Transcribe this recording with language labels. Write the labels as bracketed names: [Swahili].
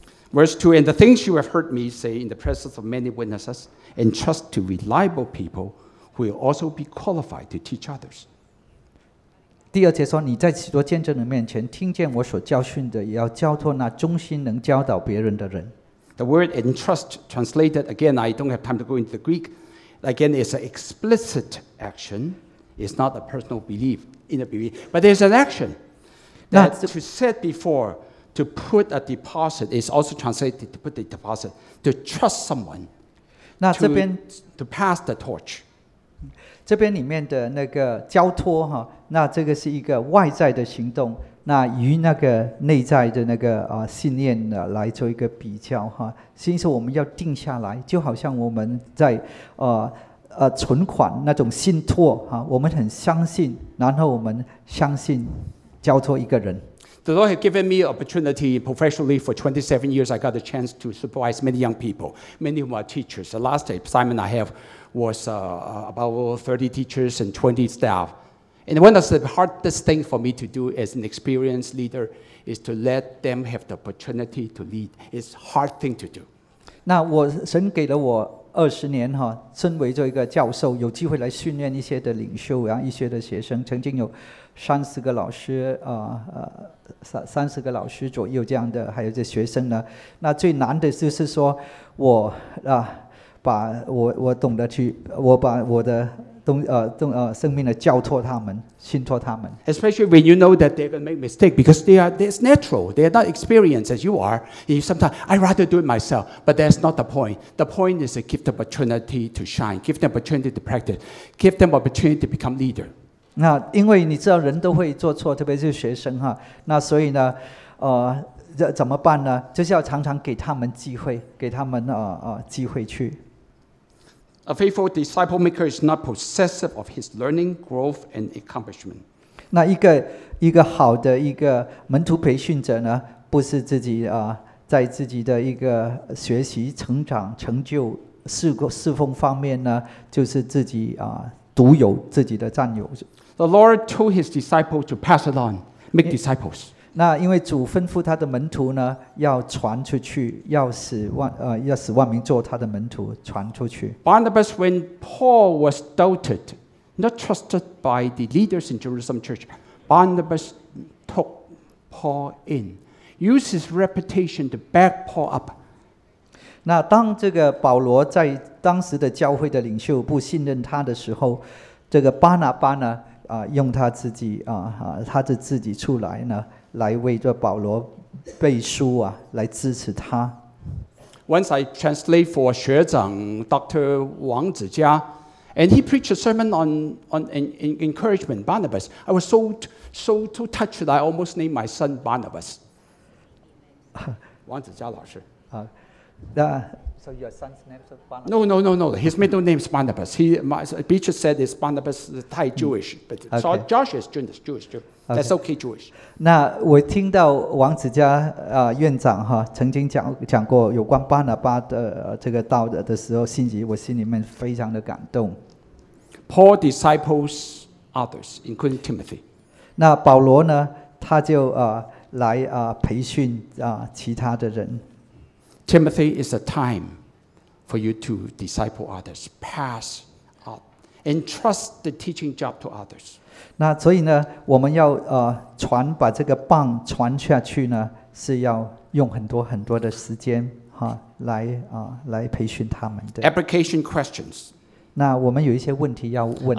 [English] Verse 2, and the things you have heard me say in the presence of many witnesses, entrust to reliable people who will also be qualified to teach others. [Chinese] 第二节说，你在许多见证人面前听见我所教训的，也要交托那忠心能教导别人的人。 [English] The word entrust translated again, I don't have time to go into the Greek. Again, it's an explicit action. It's not a personal belief in a belief, but there's an action that to set before to put a deposit is also translated to put a deposit to trust someone. [Chinese] 那这边 [English] to pass the torch. [Chinese] 这边里面的那个交托哈，那这个是一个外在的行动，那与那个内在的那个信念呢来做一个比较哈。其实我们要定下来，就好像我们在存款那种信托啊，我们很相信，然后我们相信交托一个人。 [English] The Lord has given me opportunity professionally for 27 years. I got a chance to supervise many young people, many of my teachers. The last assignment I have was about 30 teachers and 20 staff. And one of the hardest things for me to do as an experienced leader is to let them have the opportunity to lead. It's a hard thing to do. [Chinese] 那我神给了我。二十年哈，身为做一个教授，有机会来训练一些的领袖，然后一些的学生，曾经有三十个老师三十个老师左右这样的，还有这学生呢。那最难的就是说我把我懂得去，我把我的生命的交托他们，信托他们。 [English] Especially when you know that they're going to make mistake, because they are it's natural. They are not experienced as you are. And sometimes I rather do it myself, but that's not the point. The point is to give them opportunity to shine, give them opportunity to practice, give them opportunity to become leader. [Chinese] 那因为你知道人都会做错，特别是学生哈。那所以呢，怎么办呢？就是要常常给他们机会，给他们机会去。 [English] A faithful disciple maker is not possessive of his learning, growth, and accomplishment. [Chinese] 那一个好的一个门徒培训者呢，不是自己在自己的一个学习、成长、成就、侍奉方面呢，就是自己独有自己的占有。 [English] The Lord told his disciples to pass it on, make disciples. [Chinese] 那因为主吩咐他的门徒呢，要传出去，要使万民做他的门徒，传出去。 [English] Barnabas, when Paul was doubted, not trusted by the leaders in Jerusalem church, Barnabas took Paul in, used his reputation to back Paul up. [Chinese] 那当这个保罗在当时的教会的领袖不信任他的时候，这个巴拿巴呢，用他自己他的自己出来呢。来为这保罗背书啊，来支持他。 [English] Once I translate for 学长 Dr. 王子佳 ，and he preached a sermon on encouragement Barnabas. I was so touched that I almost named my son Barnabas. 王子佳老师那 so your son's name is Barnabas? No. His middle name is Barnabas. Beecher said it's Barnabas Thai Jewish,、but so Josh is Jewish too. Okay. That's okay, Jewish. [Chinese] 那我听到王子佳院长哈曾经讲过有关巴拿巴的这个道的时候，心里我心里面非常的感动。 [English] Paul disciples others, including Timothy. [Chinese] 那保罗呢，他就来培训其他的人。 [English] Timothy is a time for you to disciple others. Pass entrust the teaching job to others. [Chinese] 那所以呢，我们要传把这个棒传下去呢，是要用很多很多的时间哈，来来培训他们的。 [English] Application questions. [Chinese] 那我们有一些问题要问。